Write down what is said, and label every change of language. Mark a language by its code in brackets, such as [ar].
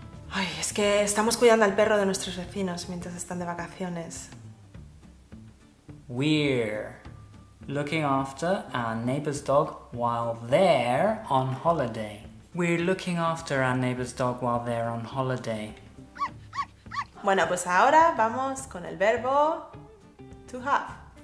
[es] Ay, es que estamos cuidando al perro de nuestros vecinos mientras están de vacaciones. [en] We're looking after our neighbor's dog while they're on holiday. We're looking after our neighbor's dog while they're on holiday. [es] Bueno, pues ahora vamos con el verbo to have.